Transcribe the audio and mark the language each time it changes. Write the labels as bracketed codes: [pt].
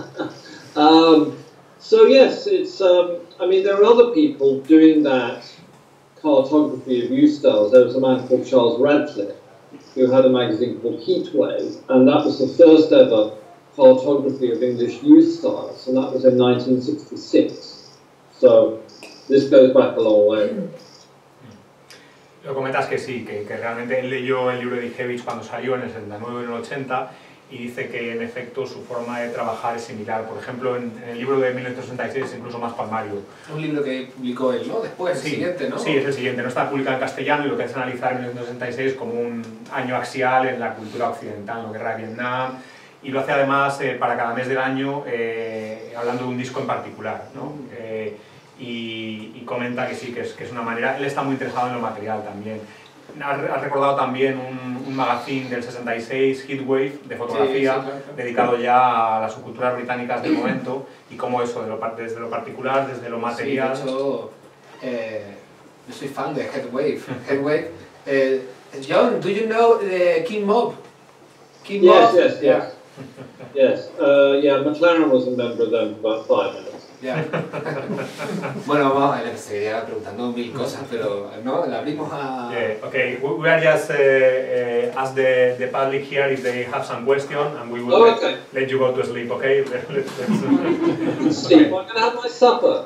[en] So yes, it's. I mean, there are other people doing that cartography of youth styles. There was a man called Charles Radcliffe, who had a magazine called Heatwave, and that was the first ever cartography of English youth styles, and that was in 1966. So this goes back a long way. [es] Lo comentas que sí, que realmente él leyó el libro de Dijewicz cuando salió en el 79 o en el 80 y dice que en efecto su forma de trabajar es similar. Por ejemplo, en el libro de 1966 es incluso más palmario. Un libro que publicó él, ¿no? Después, sí, el siguiente, ¿no? Sí, es el siguiente. No está publicado en castellano y lo que es analizar en 1966 como un año axial en la cultura occidental, la guerra de Vietnam. Y lo hace además para cada mes del año hablando de un disco en particular, ¿no? Y comenta que sí, que es una manera. Él está muy interesado en lo material también. Ha recordado también un magazine del 66, Heatwave, de fotografía, sí, claro. Dedicado ya a las subculturas británicas del momento, y cómo eso, desde lo particular, desde lo material. Sí, de hecho, yo soy fan de Heatwave. [en] John, ¿do you know the King Mob? [es] King Mob. Sí, sí, sí. [en] McLaren was a member of them for about 5 minutes. Yeah. [es] Bueno, vamos a ver, seguiría preguntando mil cosas, pero no, la abrimos a... [en] Yeah, okay, we are just ask the public here if they have some questions, and we will let you go to sleep, okay? Steve, okay. I'm going to have my supper.